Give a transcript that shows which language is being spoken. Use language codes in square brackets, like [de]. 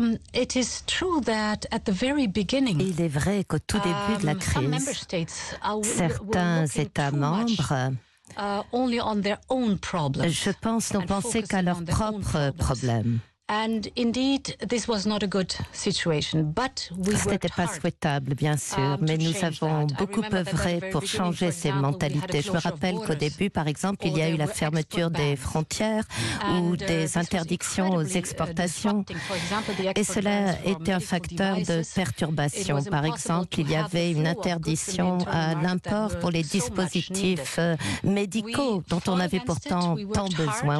[en] It is true that at the very beginning, [fr] il est vrai qu'au tout début de la crise, certains États membres, [en] only on their own problems, [fr] je pense, n'ont pensé qu'à leurs propres problèmes. [en] And indeed, this was not a good situation, but we worked hard. [fr] C'était pas souhaitable, bien sûr, mais nous avons beaucoup œuvré pour changer ces mentalités. Je me rappelle qu'au début, par exemple, il y a eu la fermeture des frontières ou des interdictions aux exportations. Et cela était un facteur de perturbation. Par exemple, il y avait une interdiction à l'import pour les dispositifs médicaux dont on avait pourtant tant besoin.